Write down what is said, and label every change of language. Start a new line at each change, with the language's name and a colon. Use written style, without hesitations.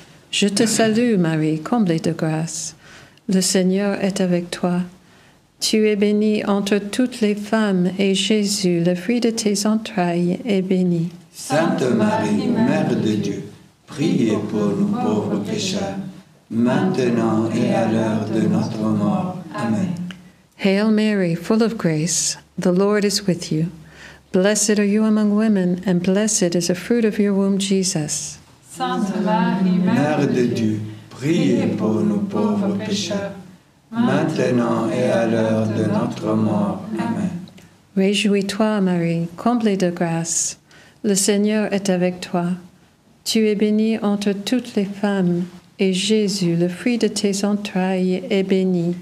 French: Je te salue, Marie, comblée de grâce. Le Seigneur est avec toi. Tu es bénie entre toutes les femmes, et Jésus, le fruit de tes entrailles, est béni. Sainte Marie, Mère de Dieu, priez pour nous pauvres pécheurs, maintenant et à l'heure de notre mort. Amen.
English: Hail Mary, full of grace, the Lord is with you. Blessed are you among women, and blessed is the fruit of your womb, Jesus.
French: Sainte Marie, Mère de Dieu, priez pour nous pauvres pécheurs, maintenant et à l'heure de notre mort. Amen. Réjouis-toi, Marie, comblée de grâce. Le Seigneur est avec toi. Tu es bénie entre toutes les femmes, et Jésus, le fruit de tes entrailles, est béni.